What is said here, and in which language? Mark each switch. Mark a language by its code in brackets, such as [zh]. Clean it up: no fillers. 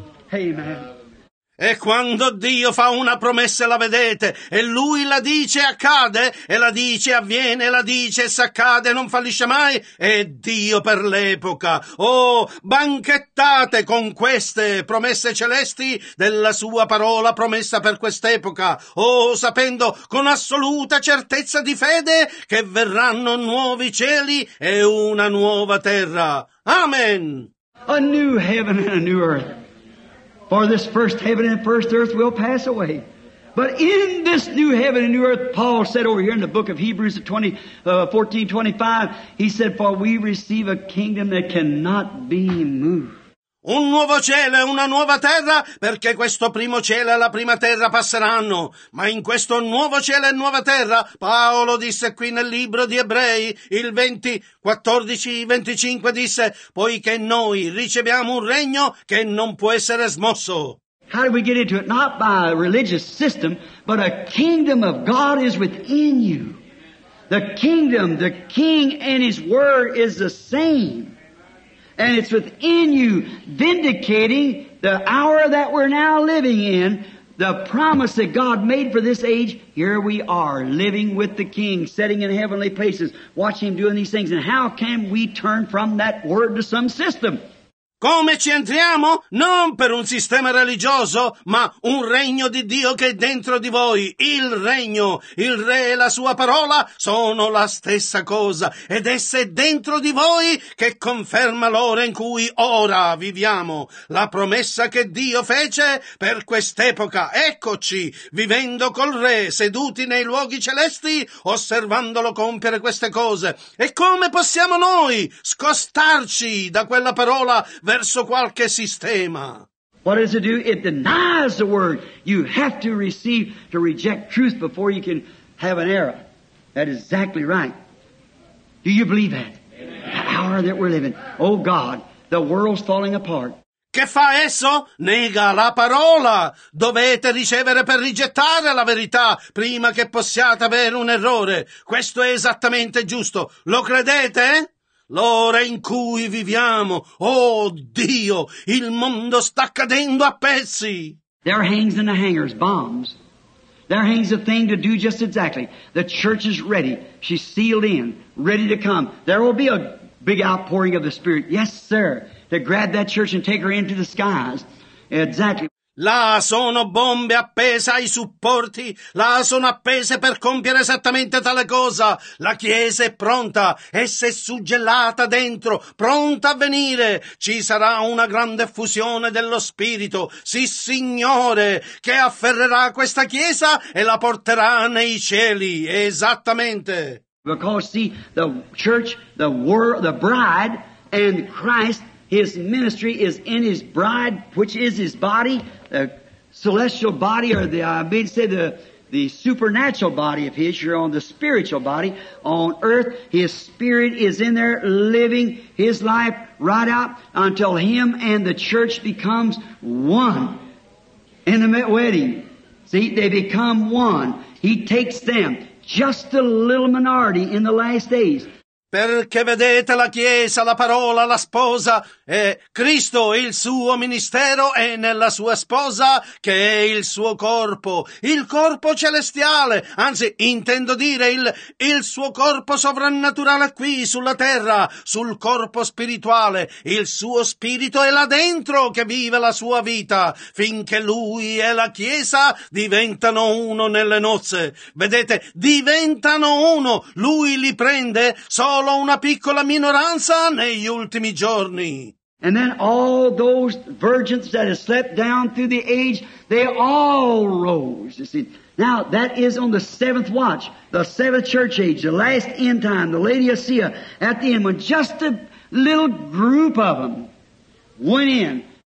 [en] Amen. [it] E quando Dio fa una promessa e la vedete, e Lui la dice e accade, e la dice e avviene, e la dice e s'accade, non fallisce mai, è Dio per l'epoca. Oh, banchettate con queste promesse celesti della sua parola promessa per quest'epoca. Oh, sapendo con assoluta certezza di fede che verranno nuovi cieli e una nuova terra. [en] Amen! A new heaven and a new earth. For this first heaven and first earth will pass away. But in this new heaven and new earth, Paul said over here in the book of Hebrews 14:25, he said, for we receive a kingdom that cannot be moved. [it] Un nuovo cielo e una nuova terra, perché questo primo cielo e la prima terra passeranno. Ma in questo nuovo cielo e nuova terra, Paolo disse qui nel libro di Ebrei, il 20:14-25, disse, poiché noi riceviamo un regno che non può essere smosso. [en] How do we get into it? Not by a religious system, but a kingdom of God is within you. The kingdom, the king and his word is the same. And it's within you, vindicating the hour that we're now living in, the promise that God made for this age. Here we are, living with the King, sitting in heavenly places, watching Him doing these things. And how can we turn from that word to some system? [it] Come ci entriamo? Non per un sistema religioso, ma un regno di Dio che è dentro di voi. Il regno, il re e la sua parola sono la stessa cosa. Ed essa è dentro di voi che conferma l'ora in cui ora viviamo. La promessa che Dio fece per quest'epoca. Eccoci, vivendo col re, seduti nei luoghi celesti, osservandolo compiere queste cose. E come possiamo noi scostarci da quella parola verso qualche sistema? [en] What does it do? It denies the word. You have to receive to reject truth before you can have an error. That is exactly right. Do you believe that? Amen. The hour that we're living. Oh God, the world's falling apart. [it] Che fa esso? Nega la parola. Dovete ricevere per rigettare la verità prima che possiate avere un errore. Questo è esattamente giusto. Lo credete? L'ora in cui viviamo, oh Dio, il mondo sta cadendo a pezzi. [en] There hangs in the hangers bombs. There hangs a thing to do just exactly. The church is ready. She's sealed in, ready to come. There will be a big outpouring of the Spirit, yes sir, to grab that church and take her into the skies. Exactly. [it] Là sono bombe appese ai supporti, là sono appese per compiere esattamente tale cosa. La Chiesa è pronta, essa è suggellata dentro, pronta a venire. Ci sarà una grande effusione dello Spirito, sì Signore, che afferrerà questa Chiesa e la porterà nei cieli, esattamente. [en] Because see, the church, the world, the bride and Christ, his ministry is in his bride, which is his body. The celestial body, or the, I mean, say the supernatural body of his, you're on the spiritual body on earth. His spirit is in there living his life right out until him and the church becomes one in the wedding. See, they become one. He takes them, just a little minority in the last days. [it] perché vedete la Chiesa, la parola, la sposa, è Cristo, il suo ministero, e nella sua sposa che è il suo corpo, il corpo celestiale, anzi intendo dire il suo corpo sovrannaturale qui sulla terra, sul corpo spirituale, il suo spirito è là dentro che vive la sua vita, finché lui e la Chiesa diventano uno nelle nozze. Vedete, diventano uno, lui li prende, solo una piccola minoranza negli ultimi giorni. [en] And then all those virgins that had slept down through the age, they all rose. You see, now that is on the seventh watch, the seventh church age, the last end time, the Laodicea, at the end, when just a little group of them went in.